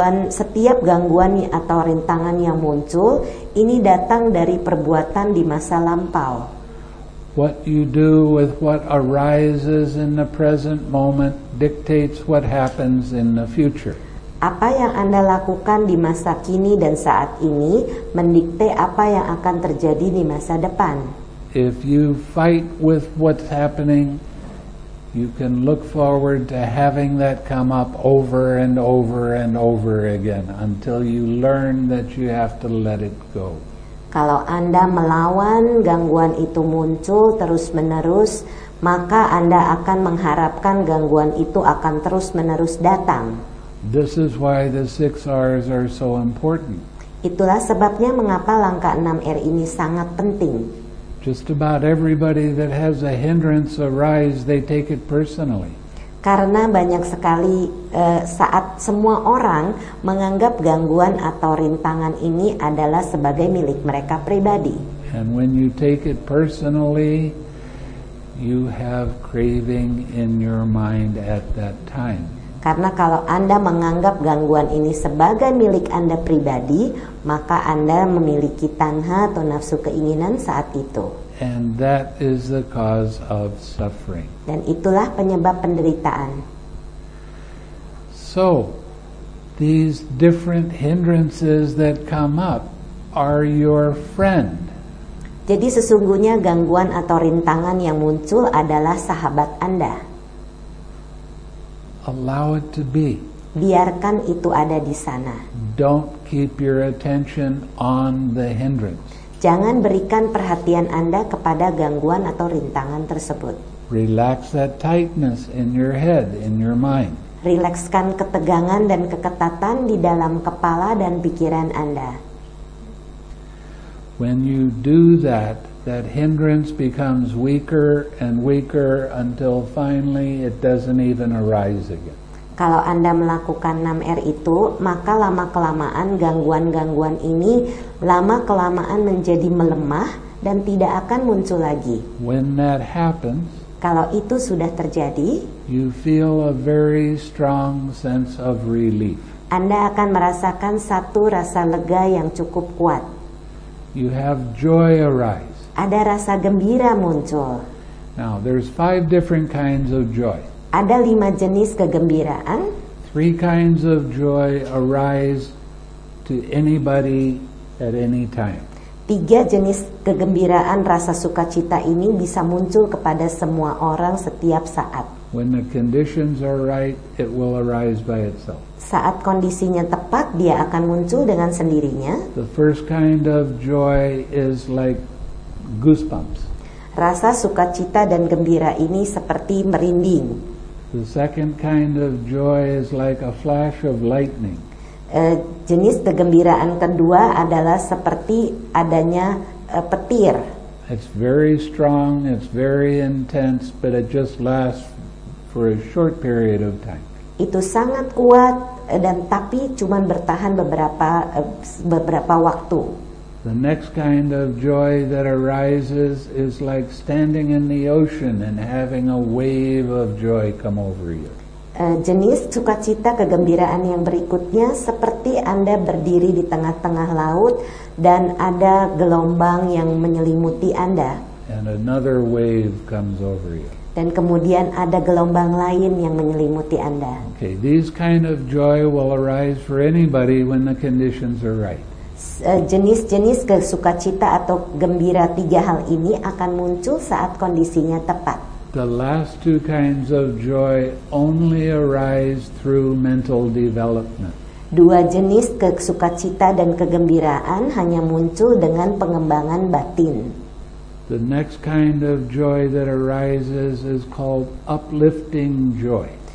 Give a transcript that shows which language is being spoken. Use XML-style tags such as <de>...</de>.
<id>Setiap gangguan atau rintangan yang muncul ini datang dari perbuatan di masa lampau.</id> <en>What you do with what arises in the present moment dictates what happens in the future.</en> <id>Apa yang Anda lakukan di masa kini dan saat ini mendikte apa yang akan terjadi di masa depan.</id> <en>If you fight with what's happening, you can look forward to having that come up over and over and over again until you learn that you have to let it go.</en> <id>Kalau Anda melawan gangguan itu muncul terus-menerus, maka Anda akan mengharapkan gangguan itu akan terus-menerus datang.</id> <en>This is why the 6 R's are so important.</en> <id>Itulah sebabnya mengapa langkah 6 R ini sangat penting.</id> <en>Just about everybody that has a hindrance arise, they take it personally.</en> <id>Karena banyak sekali saat semua orang menganggap gangguan atau rintangan ini adalah sebagai milik mereka pribadi.</id> <en>And when you take it personally, you have craving in your mind at that time.</en> <id>Karena kalau Anda menganggap gangguan ini sebagai milik Anda pribadi, maka Anda memiliki tanha atau nafsu keinginan saat itu.</id> <en>And that is the cause of suffering.</en> <id>Dan itulah penyebab penderitaan.</id> <en>So, these different hindrances that come up are your friend.</en> <id>Jadi sesungguhnya gangguan atau rintangan yang muncul adalah sahabat Anda.</id> <en>Allow it to be.</en> <id>Biarkan itu ada di sana.</id> <en>Don't keep your attention on the hindrance.</en> <id>Jangan berikan perhatian Anda kepada gangguan atau rintangan tersebut.</id> <en>Relax that tightness in your head, in your mind.</en> <id>Rilekskan ketegangan dan keketatan di dalam kepala dan pikiran Anda.</id> <en>When you do that, that hindrance becomes weaker and weaker until finally it doesn't even arise again.</en> <id>Kalau Anda melakukan 6R itu, maka lama-kelamaan gangguan-gangguan ini lama-kelamaan menjadi melemah dan tidak akan muncul lagi.</id> <en>When that happens,</en> <id>kalau itu sudah terjadi,</id> <en>you feel a very strong sense of relief.</en> <id>Anda akan merasakan satu rasa lega yang cukup kuat.</id> <en>You have joy arise.</en> <id>Ada rasa gembira muncul.</id> <en>Now, there's 5 different kinds of joy.</en> <id>Ada 5 jenis kegembiraan.</id> <en>3 kinds of joy arise to anybody at any time.</en> <id>3 jenis kegembiraan rasa sukacita ini bisa muncul kepada semua orang setiap saat.</id> <en>When the conditions are right, it will arise by itself.</en> <id>Saat kondisinya tepat, dia akan muncul dengan sendirinya.</id> <en>The first kind of joy is like goosebumps.</en> <id>Rasa sukacita dan gembira ini seperti merinding.</id> <en>The second kind of joy is like a flash of lightning.</en> <id>Jenis kegembiraan kedua adalah seperti adanya petir.</id> <en>It's very strong, it's very intense, but it just lasts for a short period of time.</en> <id>Itu sangat kuat dan tapi cuma bertahan beberapa waktu.</id> <en>The next kind of joy that arises is like standing in the ocean and having a wave of joy come over you.</en> <id>Jenis sukacita kegembiraan yang berikutnya seperti Anda berdiri di tengah-tengah laut dan ada gelombang yang menyelimuti Anda.</id> <en>And another wave comes over you.</en> <id>Dan kemudian ada gelombang lain yang menyelimuti Anda.</id> <en>Okay, these kind of joy will arise for anybody when the conditions are right.</en> <id>Jenis-jenis kesukacita atau gembira tiga hal ini akan muncul saat kondisinya tepat.</id> <en>The last two kinds of joy only arise through mental development.</en> <id>Dua jenis kesukacita dan kegembiraan hanya muncul dengan pengembangan batin.</id> <en>The next kind of joy that arises is called uplifting joy.</en>